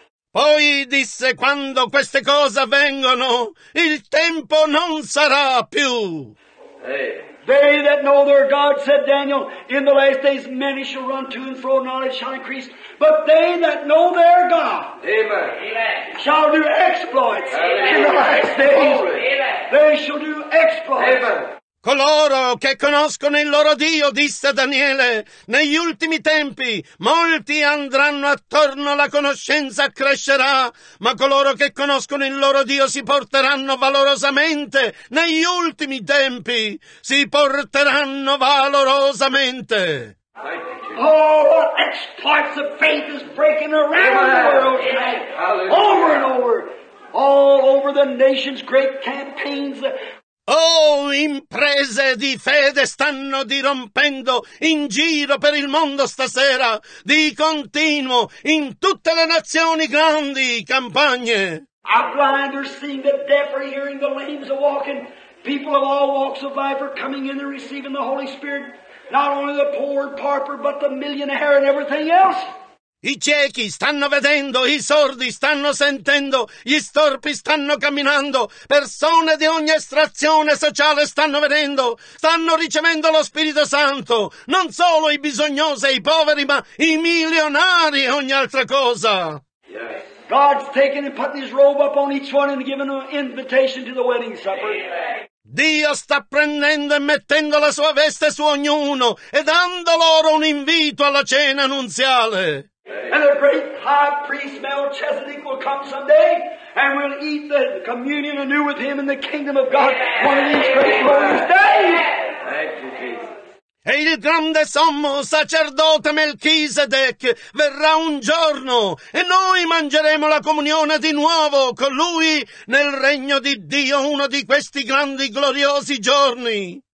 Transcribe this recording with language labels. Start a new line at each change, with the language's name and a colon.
Italian: Poi disse, quando queste cose avvengono, il tempo non sarà più.
English: They that know their God, said Daniel, in the last days many shall run to and fro, knowledge shall increase. But they that know their God, amen, shall do exploits, amen, in the last days. Amen. They shall do exploits. Amen.
Italian: Coloro che conoscono il loro Dio, disse Daniele, negli ultimi tempi molti andranno attorno, la conoscenza crescerà, ma coloro che conoscono il loro Dio si porteranno valorosamente negli ultimi tempi, si porteranno valorosamente.
English: Oh, exploits of faith is breaking around the world tonight, over and over, all over the nation's great campaigns.
Italian: Oh, imprese di fede stanno dirompendo in giro per il mondo stasera, di continuo, in tutte le nazioni grandi campagne.
English: A blind are seeing, the deaf are hearing, the lames are walking. People of all walks of life are coming in and receiving the Holy Spirit. Not only the poor and pauper, but the millionaire and everything else.
Italian: I ciechi stanno vedendo, i sordi stanno sentendo, gli storpi stanno camminando, persone di ogni estrazione sociale stanno venendo, stanno ricevendo lo Spirito Santo, non solo i bisognosi e i poveri, ma i milionari e ogni altra cosa.
English: Yes. God's taken and put his robe up on each one and given an invitation to the wedding supper. Amen.
Italian: Dio sta prendendo e mettendo la sua veste su ognuno e dando loro un invito alla cena nuziale.
English: And the great high priest Melchizedek will come someday and we'll eat the communion anew with him in the kingdom of God one of these great glorious days. Thank you, Jesus.
Italian: E il grande sommo sacerdote Melchisedec verrà un giorno e noi mangeremo la comunione di nuovo con lui nel regno di Dio uno di questi grandi gloriosi giorni.